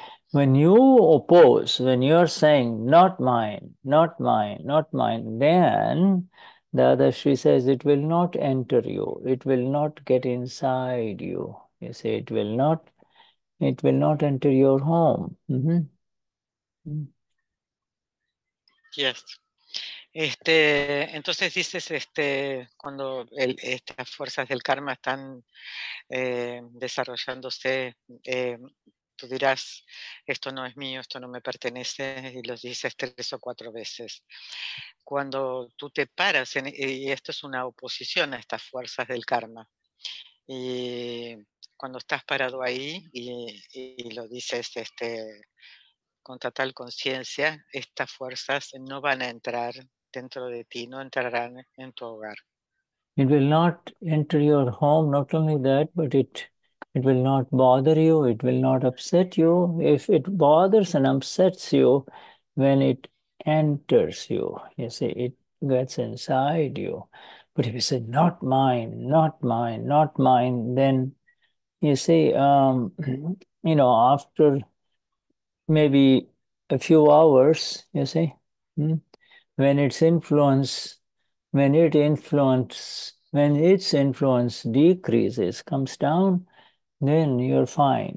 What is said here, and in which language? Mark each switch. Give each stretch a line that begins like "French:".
English: When you oppose, when you're saying, not mine, not mine, not mine, then Dadashri says, it will not enter you. It will not get inside you. You say, it will not enter your home. Yes.
Spanish: Entonces dices cuando estas fuerzas del karma están desarrollándose, tú dirás, esto no es mío, esto no me pertenece, y lo dices 3 o 4 veces. Cuando tú te paras, y esto es una oposición a estas fuerzas del karma, y cuando estás parado ahí y lo dices con total conciencia, estas fuerzas no van a entrar dentro de ti, no entrarán en tu hogar.
English: It will not enter your home, not only that, but it will not bother you, it will not upset you. If it bothers and upsets you, when it enters you, you see, it gets inside you. But if you say, not mine, not mine, not mine, then, you see, you know, after maybe a few hours, you see, when its influence, when its influence decreases, comes down, then you're fine.